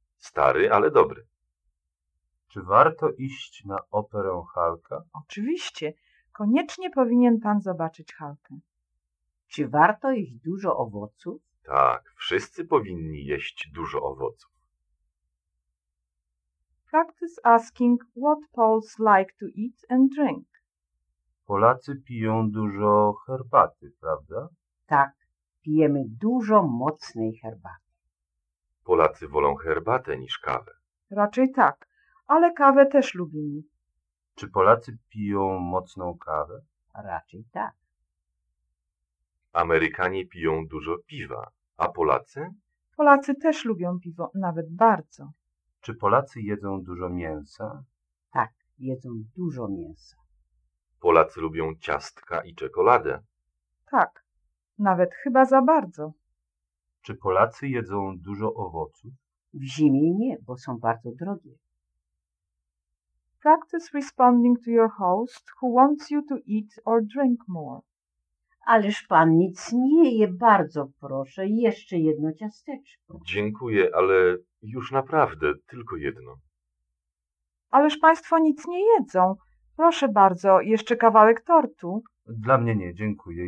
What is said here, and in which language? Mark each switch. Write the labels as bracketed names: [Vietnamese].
[Polish] Stary, ale dobry. Czy warto iść na operę Hulka? Oczywiście. Koniecznie powinien pan zobaczyć Hulkę. Czy warto jeść dużo owoców? Tak, wszyscy powinni jeść dużo owoców. [English] Practice asking what Poles like to eat and drink. [Polish] Polacy piją dużo herbaty, prawda? Tak, pijemy dużo mocnej herbaty. Polacy wolą herbatę niż kawę. Raczej tak, ale kawę też lubimy. Czy Polacy piją mocną kawę? Raczej tak. Amerykanie piją dużo piwa, a Polacy? Polacy też lubią piwo, nawet bardzo. Czy Polacy jedzą dużo mięsa? Tak, jedzą dużo mięsa. Polacy lubią ciastka i czekoladę? Tak, nawet chyba za bardzo. Czy Polacy jedzą dużo owoców? W zimie nie, bo są bardzo drogie. [English] Practice responding to your host who wants you to eat or drink more. [Polish] Ależ pan nic nie je, bardzo proszę, jeszcze jedno ciasteczko. Dziękuję, ale już naprawdę, tylko jedno. Ależ państwo nic nie jedzą. Proszę bardzo, jeszcze kawałek tortu. Dla mnie nie, dziękuję.